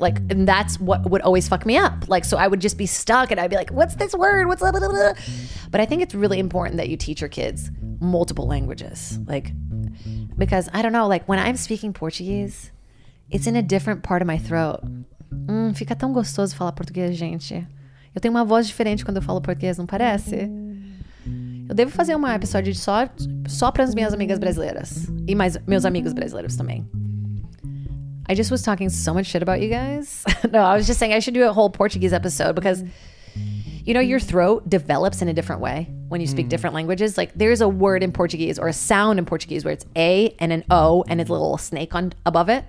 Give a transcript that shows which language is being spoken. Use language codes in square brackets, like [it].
[en] Like, and that's what would always fuck me up. Like, so I would just be stuck and I'd be like, what's this word? What's blah, blah, blah, blah. But I think it's really important that you teach your kids multiple languages. Like, because I don't know, like when I'm speaking Portuguese, it's in a different part of my throat. [pt] Fica tão gostoso falar português, gente. Eu tenho uma voz diferente quando eu falo português, não parece? Eu devo fazer um episódio só para as minhas amigas brasileiras. E mais meus amigos brasileiros também. [en] I just was talking so much shit about you guys. No, I was just saying I should do a whole Portuguese episode because, you know, your throat develops in a different way when you speak different languages. Like, there's a word in Portuguese or a sound in Portuguese where it's A and an O and it's a little snake on above it.